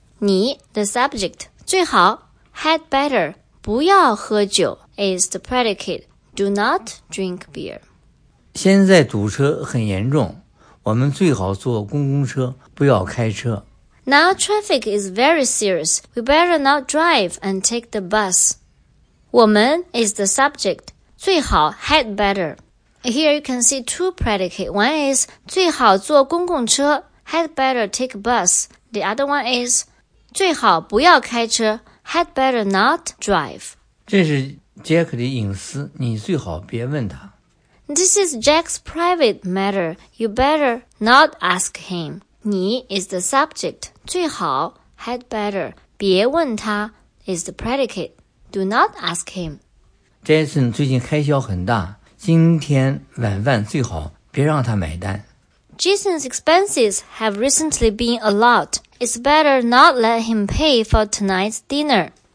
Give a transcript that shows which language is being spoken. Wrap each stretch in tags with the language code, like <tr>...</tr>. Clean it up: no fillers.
<en>你 the subject, 最好 had better, 不要喝酒 is the predicate, do not drink beer.</en> <zh>现在堵车很严重，我们最好坐公共车，不要开车。</zh> <en>Now traffic is very serious. We better not drive and take the bus. 我们 is the subject, 最好 had better. Here you can see two predicates. One is 最好坐公共车 had better take a bus. The other one is 最好不要开车 had better not drive.</en> <zh>这是 Jack 的隐私，你最好别问他。</zh> <en>This is Jack's private matter. You better not ask him. 你 is the subject. 最好 had better 别问他 is the predicate. Do not ask him.</en> <zh>Jason 最近开销很大。今天晚饭最好别让他买单。</zh> <en>Jason's expenses have recently been a lot. It's better not let him pay for tonight's dinner.</en>